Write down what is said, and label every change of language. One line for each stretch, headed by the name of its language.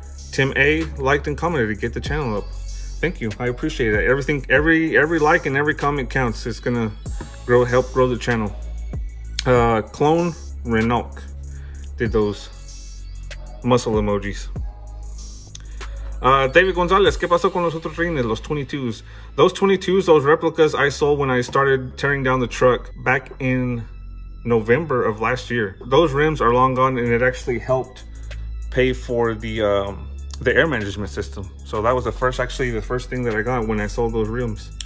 English: Tim A, liked and commented to get the channel up. Thank you. I appreciate that. Everything, every like and every comment counts. It's going to help grow the channel. Clone Renok did those muscle emojis.
Spanish: David Gonzalez, ¿qué pasó con los otros rines, los 22s?
English: Those 22s, those replicas I sold when I started tearing down the truck back in November of last year. Those rims are long gone, and it actually helped pay for the air management system. So that was the first thing that I got when I sold those rims.